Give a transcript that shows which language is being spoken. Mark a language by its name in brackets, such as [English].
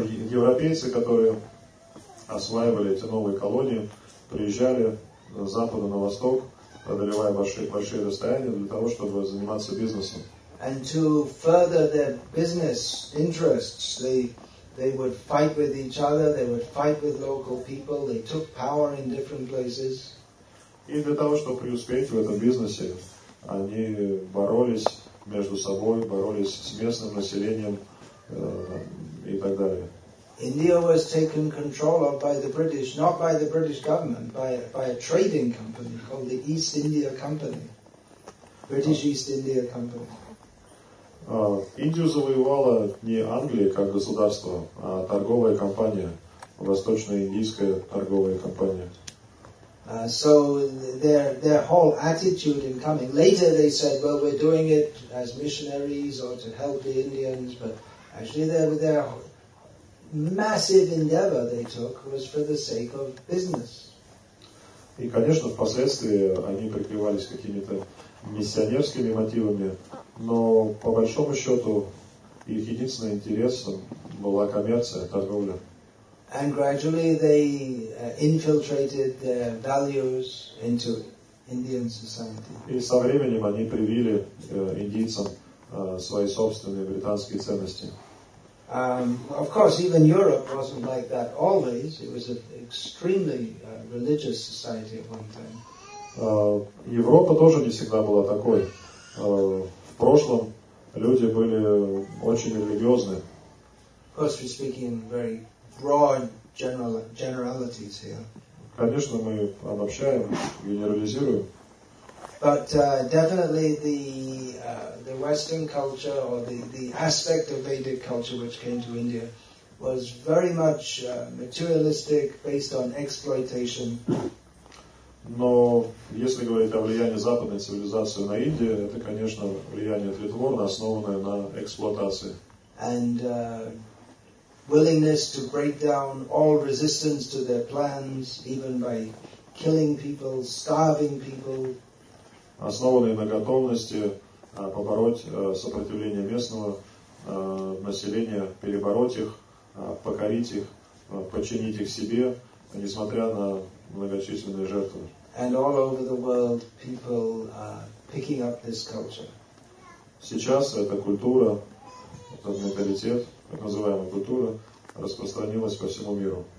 [Russian] Европейцы, которые осваивали эти новые колонии, приезжали с запада на восток, преодолевая большие расстояния для того, чтобы заниматься бизнесом. [English] And to further their business interests, they would fight with each other, they would fight with local people, they took power in different places. [Russian] И для того, чтобы преуспеть в этом бизнесе, они боролись между собой, боролись с местным населением и так далее. [English] India was taken control of by the British, not by the British government, by a trading company called the East India Company. British East India Company. [Russian] Индию завоевала не Англия как государство, а торговая компания, восточно-индийская торговая компания. [English] So their whole attitude in coming. Later they said, well, we're doing it as missionaries or to help the Indians, but actually their massive endeavor they took was for the sake of business. [Russian] И, конечно, впоследствии они прикрывались какими-то миссионерскими мотивами, но по большому счету их единственным интересом была коммерция, торговля. [English] And gradually they infiltrated their values into Indian society. [Russian] И со временем они привили индийцам свои собственные британские ценности. [English] Of course, even Europe wasn't like that always. It was an extremely religious society at one time. [Russian] Европа тоже не всегда была такой. В прошлом люди были очень религиозны. [English] Of course, we're speaking in very broad generalities here. [Russian] Конечно, мы обобщаем, генерализируем. [English] But definitely the Western culture or the aspect of Vedic culture which came to India was very much materialistic, based on exploitation. [Russian] Но если говорить о влиянии западной цивилизации на Индию, это, конечно, влияние тлетворное, основанное на эксплуатации. [English] And willingness to break down all resistance to their plans, even by killing people, starving people. [Russian] Основанные на готовности побороть сопротивление местного населения, перебороть их, покорить их, подчинить их себе, несмотря на многочисленные жертвы. [English] And all over the world, people are picking up this culture. [Russian] Сейчас эта культура, этот менталитет, так называемая культура, распространилась по всему миру.